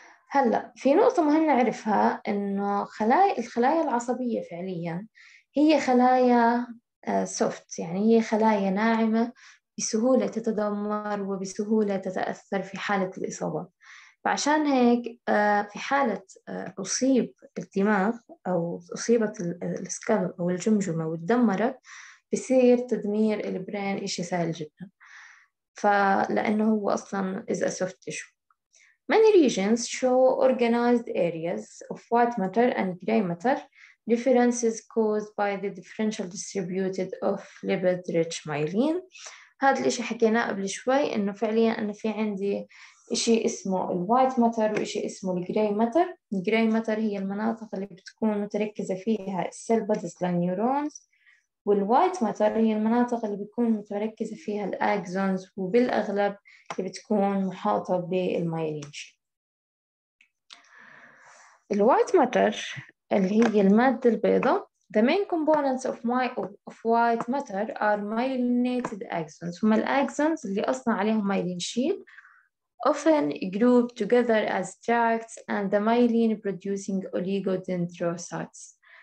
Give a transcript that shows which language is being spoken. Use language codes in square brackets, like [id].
[ar] هلأ في نقطة مهمة نعرفها إنه الخلايا العصبية فعلياً هي خلايا سوفت، يعني هي خلايا ناعمة بسهولة تتدمر وبسهولة تتأثر في حالة الإصابة. فعشان هيك في حالة أصيب الدماغ أو أصيبت السكال أو الجمجمة وتدمرت، بيصير تدمير البرين إشي سهل جداً، فلأنه هو أصلاً [en] is a soft tissue. Many regions show organized areas of white matter and gray matter, differences caused by the differential distributed of lipid-rich myelin. [ar] هذا الإشي حكيناه قبل شوي، إنه فعلياً أنا في عندي إشي اسمه الـ white matter وإشي اسمه الـ gray matter. الـ gray matter هي المناطق اللي بتكون متركزة فيها cell buds للنيورونز، والـ white matter هي المناطق اللي بتكون متركزة فيها الـ axons، وبالأغلب اللي بتكون محاطة بالمايلين. الـ white matter اللي هي المادة البيضاء، [en] the main components of white matter are myelinated axons. [ar] هما الأكسونز اللي أصنع عليهم مايلين شيل، [en] often grouped together as tracts and the myelin producing oligodendrocytes.